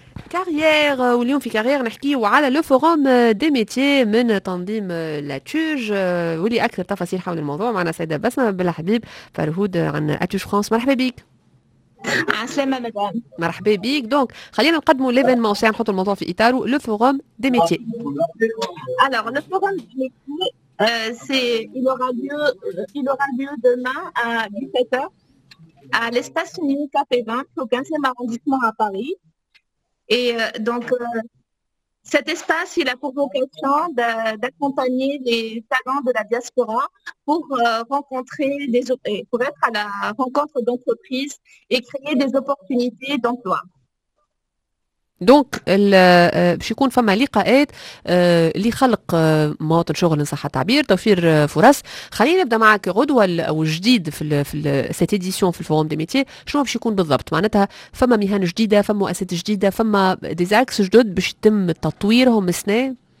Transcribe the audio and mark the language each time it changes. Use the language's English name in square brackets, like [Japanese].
[Arabic] كارير واليوم في كارير نحكيه على لو فوروم دي ميتي من تنظيم لاتوج ولي اكثر تفاصيل حول الموضوع معنا سيده بسمه بلحبيب فرهود عن اتوج فرانس. مرحبا بيك. عسلامة مدام. مرحبا بيك. دونك خلينا نقدموا ليفينمون سي نحطوا الموضوع في اطاره لو فوروم دي ميتي. [French] Alors, le forum de métier, il aura lieu demain à 17h à l'espace unique à Pévin, au 15e arrondissement à Paris. Et cet espace, il a pour vocation d'accompagner les talents de la diaspora pour rencontrer des pour être à la rencontre d'entreprises et créer des opportunités d'emploi. [Arabic] دونك باش يكون فما لقاءات لخلق مواطن شغل ان صح التعبير توفير فرص. خلينا نبدا معك غدوه او جديد في [French] سيت اديسيون [Arabic] في الفوروم دي ميتيه. شنو باش يكون بالضبط؟ معناتها فما مهن جديده، فما مؤسسات جديده، فما ديزاكس جدد باش يتم تطويرهم السنه.